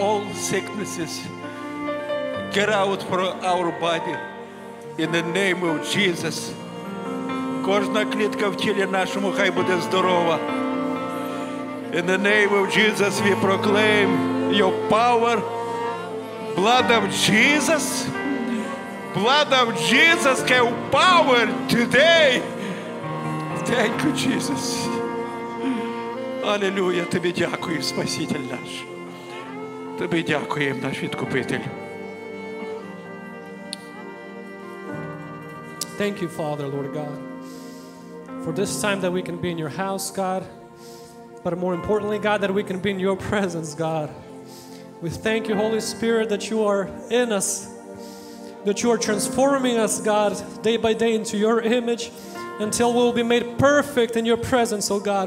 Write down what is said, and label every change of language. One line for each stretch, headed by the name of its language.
English: All sicknesses get out from our body in the name of Jesus.
Ukrainian: Кожна клітка в тілі нашому хай буде здорова.
English: In the name of Jesus we proclaim your power. Blood of Jesus. Blood of Jesus can power today. Thank you, Jesus.
Ukrainian: Аллилуйя, тобі дякую, Спаситель наш. Тобі дякуємо, наш Відкупитель.
English: Thank you, Father, Lord God, for this time that we can be in your house, God, but more importantly, God, that we can be in your presence, God. We thank you, Holy Spirit, that you are in us, that you are transforming us, God, day by day into your image, until we will be made perfect in your presence, oh God.